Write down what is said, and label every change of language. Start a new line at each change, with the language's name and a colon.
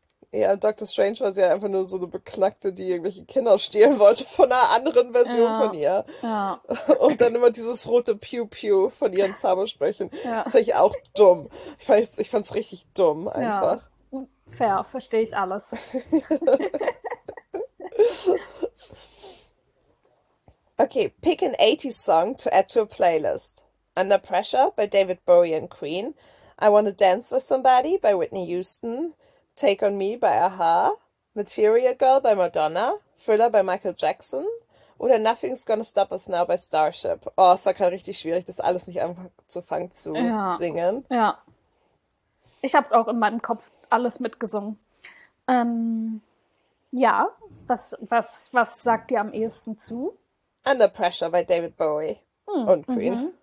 German: Ja, Doctor Strange war sie ja einfach nur so eine Beknackte, die irgendwelche Kinder stehlen wollte von einer anderen Version ja. von ihr. Ja. Und dann immer dieses rote Piu-Piu von ihren Zaubersprüchen. Ja. Das fand ich auch dumm. Ich fand's richtig dumm einfach. Ja. Fair, verstehe ich alles.
English: Okay, pick an 80s song to add to a playlist. Under Pressure by David Bowie and Queen. I Want to Dance with Somebody by Whitney Houston. Take on Me by Aha. Material Girl by Madonna. Thriller by Michael Jackson. Oder Nothing's Gonna Stop Us Now by Starship.
German: Oh, es war gerade richtig schwierig, das alles nicht einfach zu fangen zu singen. Ja. Ich habe es auch in meinem Kopf alles mitgesungen. Ja, was sagt ihr am ehesten zu?
English: Under Pressure by David Bowie und Queen.